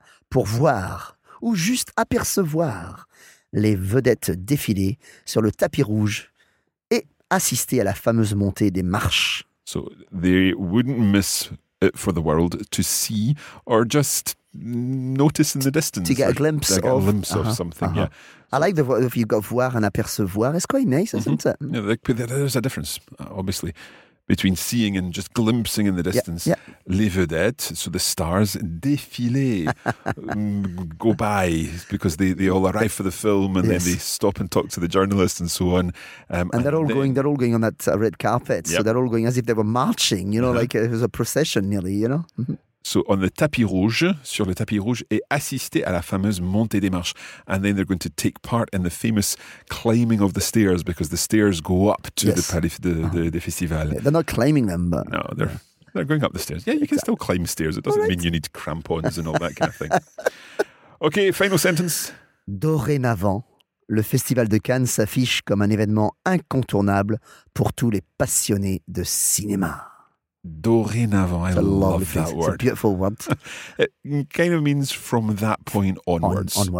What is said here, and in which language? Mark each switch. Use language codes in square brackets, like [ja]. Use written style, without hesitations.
[fr] Pour voir ou juste apercevoir les vedettes défiler sur le tapis rouge et assister à la fameuse montée des marches. [en] So they wouldn't miss it for the world to see or just notice in the distance. To get a glimpse of. Yeah. I like the word if you've got voir and apercevoir. It's quite nice, isn't it? Yeah, there's a difference, obviously, between seeing and just glimpsing in the distance. Yeah. [fr] Les vedettes, [en] so the stars, [fr] défiler, [en] go by, because they all arrive for the film and then they stop and talk to the journalist and so on. And they're all going on that red carpet, so they're all going as if they were marching, you know, like it was a procession nearly, you know? So on the [fr] tapis rouge, sur le tapis rouge, et assister à la fameuse montée des marches. [en] And then they're going to take part in the famous climbing of the stairs, because the stairs go up to the festival. They're not climbing them, but... No, they're going up the stairs. Yeah, you can still climb stairs. It doesn't mean you need crampons and all that kind of thing. Okay, final sentence. [fr] Dorénavant, le Festival de Cannes s'affiche comme un événement incontournable pour tous les passionnés de cinéma. [en] Dorénavant, I love that word. It's a beautiful word. It kind of means from that point onwards.